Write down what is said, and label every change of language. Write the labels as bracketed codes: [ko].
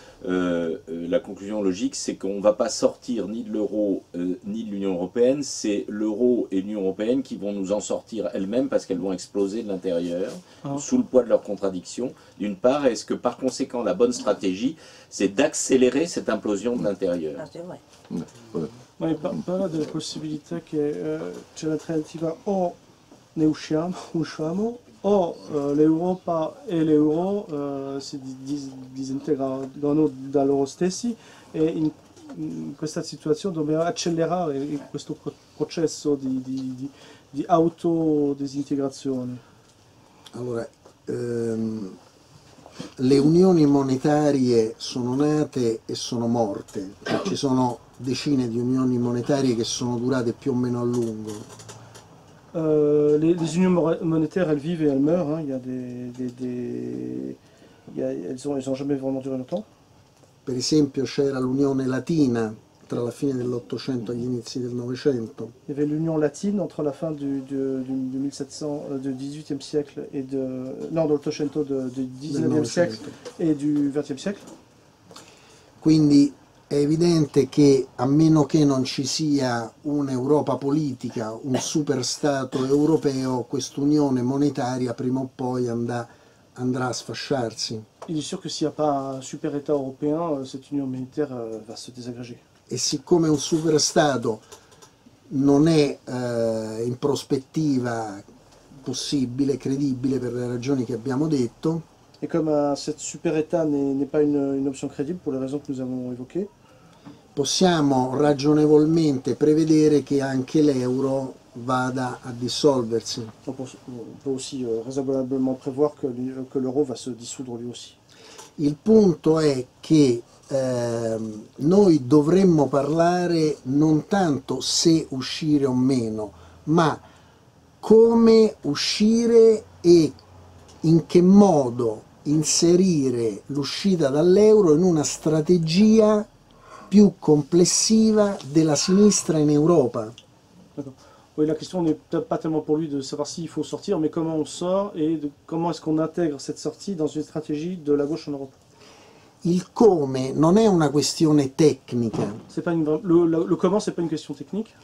[fr] La conclusion logique, c'est qu'on ne va pas sortir ni de l'euro ni de l'Union européenne. C'est l'euro et l'Union européenne qui vont nous en sortir elles-mêmes parce qu'elles vont exploser de l'intérieur sous le poids de leurs contradictions. D'une part, est-ce que par conséquent, la bonne stratégie, c'est d'accélérer cette implosion de l'intérieur? [it] Ma è parlato della possibilità che c'è l'alternativa o ne usciamo Or, l'euro e l'euro si disintegrano da loro stessi e in questa situazione dobbiamo accelerare questo processo di autodisintegrazione. Allora, le unioni monetarie sono nate e sono morte, cioè, ci sono decine di unioni monetarie che sono durate più o meno a lungo. [fr] Les unions monétaires, elles vivent et elles meurent. Hein. Il y a elles ont jamais vraiment duré longtemps. [it] Per esempio, c'era l'unione latina tra la fine dell'Ottocento e gli inizi del Novecento. [fr] Il y avait l'union latine entre la fin du 1700, du 18e siècle et de non, de l'Ottocento, du 19e siècle et du 20e siècle. [it] Quindi è evidente che a meno che non ci sia un'Europa politica, un superstato europeo, quest'unione monetaria prima o poi andrà a sfasciarsi. [fr] Il est sûr que s'il n'y a pas un superétat européen, cette union monétaire va se désagréger. [it] E siccome un superstato non è in prospettiva possibile, credibile per le ragioni che abbiamo detto. [fr] Et comme cette superétat n'est pas une option crédible pour les raisons que nous avons évoquées. [it] Possiamo ragionevolmente prevedere che anche l'euro vada a dissolversi. [fr] On peut aussi raisonnablement prévoir que l'euro va se dissoudre lui aussi. [it] Il punto è che noi dovremmo parlare non tanto se uscire o meno, ma come uscire e in che modo inserire l'uscita dall'euro in una strategia più complessiva della sinistra in Europa. [fr] Oui, la question n'est peut-être pas tellement pour lui de savoir s'il faut sortir, mais comment on sort et comment est-ce qu'on intègre cette sortie dans une stratégie de la gauche en Europe. [it] Il come non è una questione tecnica. [fr] C'est pas une, le comment c'est pas une question technique.